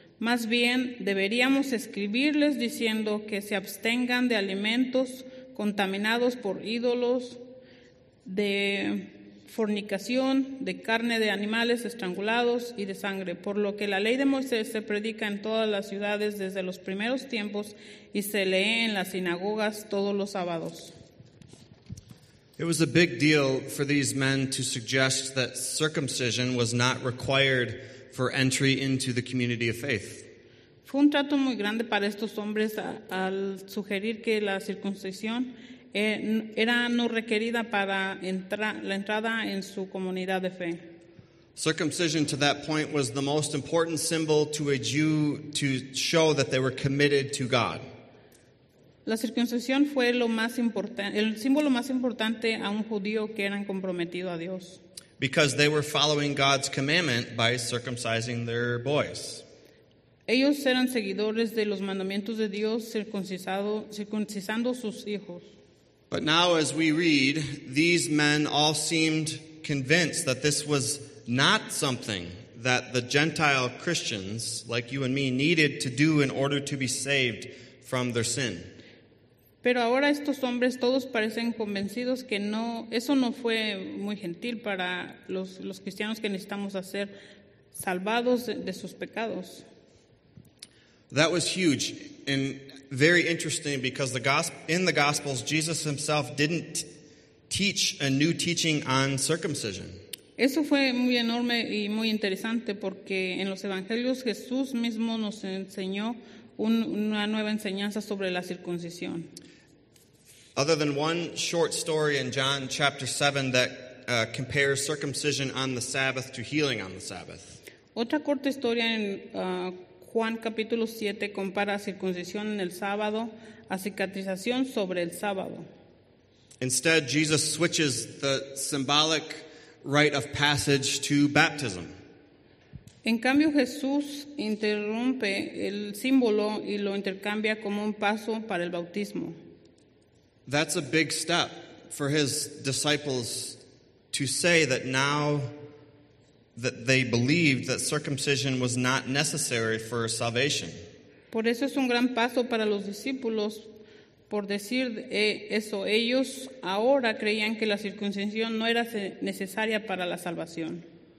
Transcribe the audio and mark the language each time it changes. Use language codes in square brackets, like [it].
[es] Más bien, deberíamos escribirles diciendo que se abstengan de alimentos contaminados por ídolos, de fornicación, de carne de animales estrangulados y de sangre. Por lo que la ley de Moisés se predica en todas las ciudades desde los primeros tiempos y se lee en las sinagogas todos los sábados. [en] It was a big deal for these men to suggest that circumcision was not required for entry into the community of faith. [es] Fue un trato muy grande para estos hombres al sugerir que la circuncisión era no requerida para la entrada en su comunidad de fe. [en] Circumcision to that point was the most important symbol to a Jew to show that they were committed to God. [es] La circuncisión fue lo más importante, el símbolo más importante a un judío que eran comprometido a Dios. [en] Because they were following God's commandment by circumcising their boys. [es] Ellos eran seguidores de los mandamientos de Dios circuncisando sus hijos. [en] But now as we read, these men all seemed convinced that this was not something that the Gentile Christians, like you and me, needed to do in order to be saved from their sin. [es] Pero ahora estos hombres todos parecen convencidos que no, eso no fue muy gentil para los cristianos que necesitamos ser salvados de sus pecados. [en] That was huge and very interesting because in the Gospels, Jesus himself didn't teach a new teaching on circumcision. [es] Eso fue muy enorme y muy interesante porque en los evangelios Jesús mismo nos enseñó una nueva enseñanza sobre la circuncisión. [en] Other than one short story in John chapter 7 that compares circumcision on the Sabbath to healing on the Sabbath. [es] Otra corta historia en Juan capítulo 7 compara circuncisión en el sábado a cicatrización sobre el sábado. [en] Instead, Jesus switches the symbolic rite of passage to baptism. [es] En cambio, Jesús interrumpe el símbolo y lo intercambia como un paso para el bautismo. [en] That's a big step for his disciples to say that now that they believed that circumcision was not necessary for salvation. [es] Por eso es un gran paso para los discípulos por decir eso. Ellos ahora creían que la circuncisión no era necesaria para la salvación.